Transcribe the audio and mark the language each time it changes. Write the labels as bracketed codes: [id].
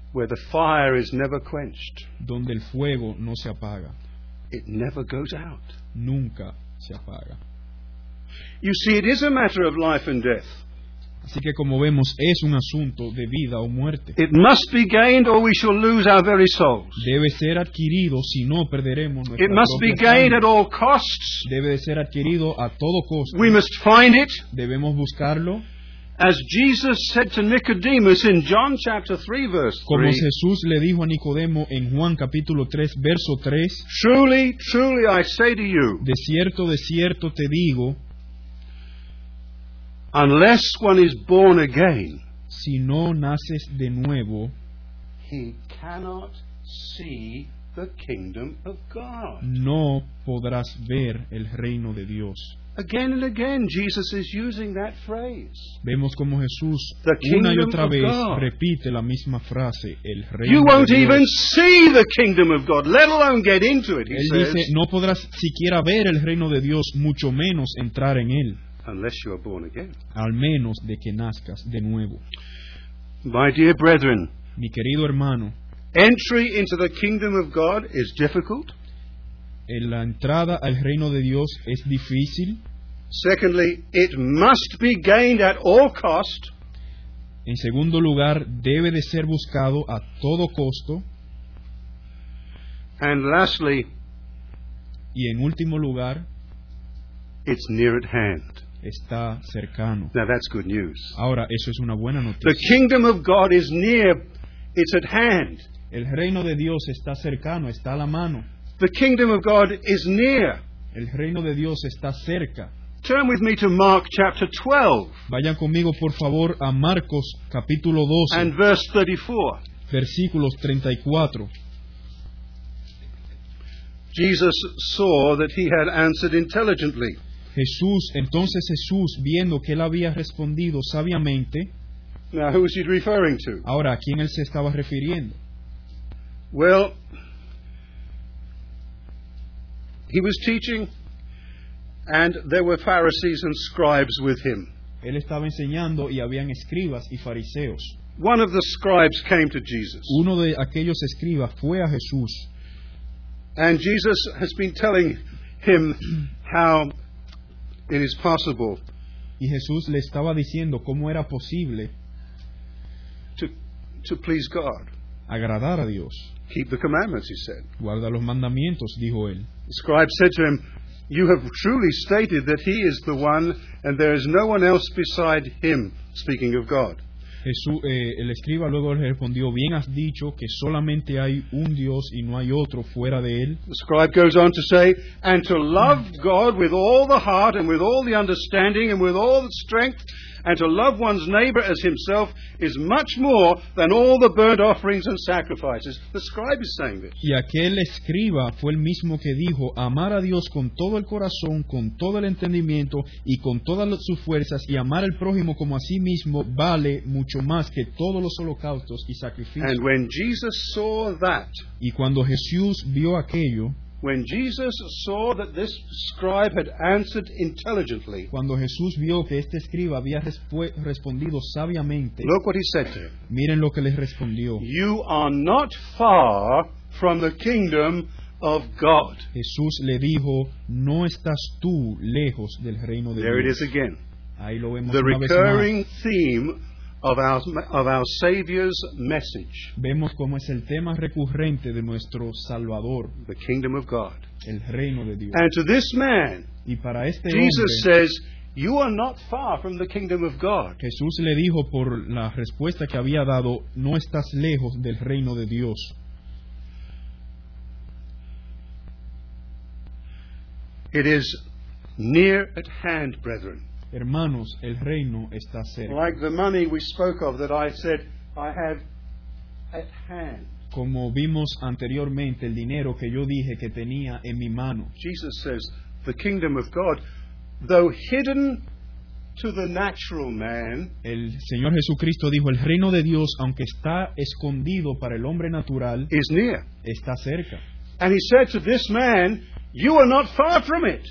[en] Where the fire is never quenched. [es] Donde el fuego no se apaga. [en] It never goes out. [es] Nunca se apaga. [en] You see, it is a matter of life and death. [es] Así que como vemos, es un asunto de vida o muerte. [en] It must be gained or we shall lose our very souls. [es] Debe ser adquirido, si no perderemos nuestra [en] it must [es] propia [en] be gained at all costs. [es] Debe de ser adquirido a todo costo. [en] We must find it. [es] Debemos buscarlo. [en] As Jesus said to Nicodemus in John chapter 3 verse 3. [es] Como Jesús le dijo a Nicodemo en Juan capítulo 3 verso 3. [en] Truly, truly I say to you. [es] De cierto te digo. [en] Unless one is born again, [es] si no naces de nuevo, [en] he cannot see the kingdom of God. [es] No podrás ver el reino de Dios. [en] Again and again, Jesus is using that phrase. [es] Vemos como Jesús una y otra vez repite la misma frase, el reino [en] you [es] de [en] won't [es] Dios. [en] Even see the kingdom of God, let alone get into it, he [es] él [en] says. [es] Dice, no podrás siquiera ver el reino de Dios, mucho menos entrar en él. [en] Unless you are born again. [es] Al menos de que nazcas de nuevo. [en] My dear brethren, [es] mi querido hermano, [en] entry into the kingdom of God is difficult. [es] En la entrada al reino de Dios es difícil. [en] Secondly, it must be gained at all cost. [es] En segundo lugar, debe de ser buscado a todo costo. [en] And lastly, [es] y en último lugar, [en] it's near at hand. [es] Está cercano. [en] Now that's good news. [es] Ahora, eso es una buena noticia. [en] The kingdom of God is near, it's at hand. [es] El reino de Dios está cercano, está a la mano. [en] The kingdom of God is near. [es] El reino de Dios está cerca. [en] Turn with me to Mark chapter 12. [es] Vayan conmigo, por favor, a Marcos capítulo 12. [en] And verse 34. [es] Versículos 34. [en] Jesus saw that he had answered intelligently. [es] Jesús, entonces Jesús, viendo que él había respondido sabiamente. [en] Now, who is he referring to? [es] Ahora, ¿a quién él se estaba refiriendo? [en] Well, he was teaching, and there were Pharisees and scribes with him. [es] Él estaba enseñando y habían escribas y fariseos. [en] One of the scribes came to Jesus. [es] Uno de aquellos escribas fue a Jesús. [en] And Jesus has been telling him how it is possible. [es] Y Jesús le estaba diciendo cómo era posible [en] to please God. [es] Agradar a Dios. [en] Keep the commandments, he said. [es] Guarda los mandamientos, dijo él. [en] The scribe said to him, you have truly stated that he is the one and there is no one else beside him, speaking of God. [es] Jesús, el escriba luego le respondió, bien has dicho que solamente hay un Dios y no hay otro fuera de él. [en] The scribe goes on to say, and to love God with all the heart and with all the understanding and with all the strength and to love one's neighbor as himself is much more than all the burnt offerings and sacrifices. The scribe is saying this. [es] Y aquel escriba fue el mismo que dijo, amar a Dios con todo el corazón, con todo el entendimiento y con todas sus fuerzas y amar al prójimo como a sí mismo vale mucho más que todos los holocaustos y sacrificios. [en] And when Jesus saw that, [es] y cuando Jesús vio aquello, [en] when Jesus saw that this scribe had answered intelligently, [es] cuando Jesús vio que este escriba había respondido sabiamente, [en] look what he said to him. [es] Miren lo que les respondió. [en] You are not far from the kingdom of God. [es] Jesús le dijo, no estás tú lejos del reino de [en] there There it is again. [es] Ahí lo vemos [en] the [es] una [en] recurring [es] vez más. [en] Theme of our Savior's message. [es] Vemos cómo es el tema recurrente de nuestro Salvador. [en] The kingdom of God. [es] El reino de Dios. [en] And to this man, [es] y para este [en] Jesus [es] hombre, [en] says, you are not far from the kingdom of God. [es] Jesús le dijo por la respuesta que había dado, no estás lejos del reino de Dios. [en] It is near at hand, brethren. [es] Hermanos, el reino está cerca. [en] Like the money we spoke of that I said I have at hand. [es] Como vimos anteriormente, el dinero que yo dije que tenía en mi mano. [en] Jesus says, the kingdom of God, though hidden to the natural man. [es] El Señor Jesucristo dijo, el reino de Dios, aunque está escondido para el hombre natural, [en] is near. [es] Está cerca. [en] And he said to this man, you are not far from it.